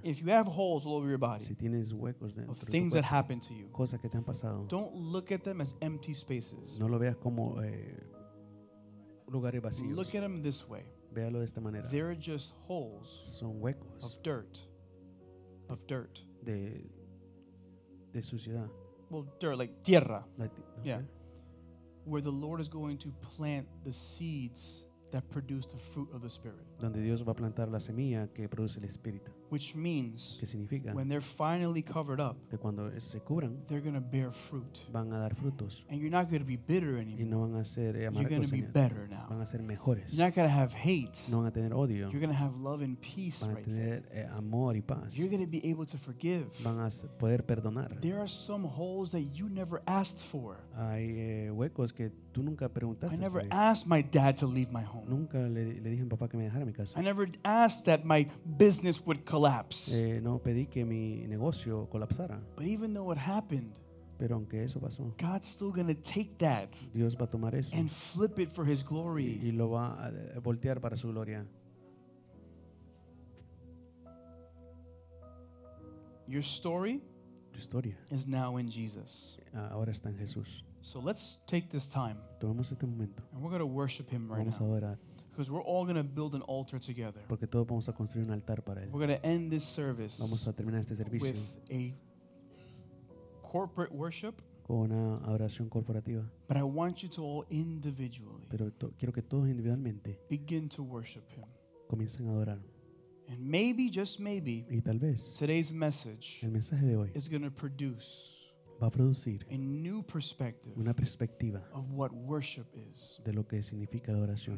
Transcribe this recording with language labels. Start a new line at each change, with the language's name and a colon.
English: If you have holes all over your body,
Spanish: si tienes huecos
English: dentro of things
Spanish: cuerpo,
English: that happened to you,
Spanish: cosas que te han pasado,
English: don't look at them as empty spaces.
Spanish: No lo veas como lugares vacíos.
English: Look at them this way.
Spanish: Véalo de esta manera.
English: They're just holes
Spanish: son huecos
English: of dirt. Of dirt.
Spanish: De suciedad.
English: Well, dirt, like tierra. Okay. Yeah. Where the Lord is going to plant the seeds that produce the fruit of the Spirit.
Spanish: Donde Dios va a plantar la semilla que produce el Espíritu.
English: Which means
Spanish: que significa
English: when they're finally covered up,
Spanish: que cuando se cubran,
English: they're going to bear fruit.
Spanish: Van a dar frutos.
English: And you're not going to be bitter anymore.
Spanish: Y no van a ser amargos.
English: You're going to be better now.
Spanish: Van a ser mejores.
English: You're not going to have hate.
Spanish: No van a tener odio.
English: You're going to have love and peace
Spanish: van a
English: right
Spanish: tener
English: there.
Spanish: Amor y paz.
English: You're going to be able to forgive.
Spanish: Van a poder perdonar.
English: There are some holes that you never asked for.
Spanish: Hay huecos que tú nunca preguntaste.
English: I never asked my dad to leave my home.
Spanish: Nunca le dije a mi papá que me dejara mi casa.
English: I never asked that my business would collapse.
Spanish: No pedí que mi negocio colapsara.
English: But even though it happened,
Spanish: pero aunque eso pasó,
English: God's still going to take that.
Spanish: Dios va a tomar eso
English: and flip it for his glory.
Spanish: Y lo va a voltear para su gloria.
English: Your story,
Spanish: tu historia,
English: is now in Jesus.
Spanish: Ahora está en Jesús.
English: So let's take this time.
Spanish: Tomemos este momento.
English: And we're going to worship him right
Spanish: vamos
English: now.
Spanish: A orar.
English: Because we're all going to build an altar together.
Spanish: Porque todos vamos a construir un altar para él.
English: We're going to end this service
Spanish: vamos a terminar este servicio
English: with a corporate worship.
Spanish: Con una adoración corporativa.
English: But I want you to all individually
Spanish: pero quiero que todos individualmente
English: begin to worship him.
Spanish: Comiencen a adorar.
English: And maybe, just maybe,
Spanish: y tal vez,
English: today's message,
Spanish: el mensaje de hoy
English: is going to produce
Spanish: va a producir
English: a new perspective
Spanish: una perspectiva
English: of what worship is.
Spanish: De lo que significa la adoración.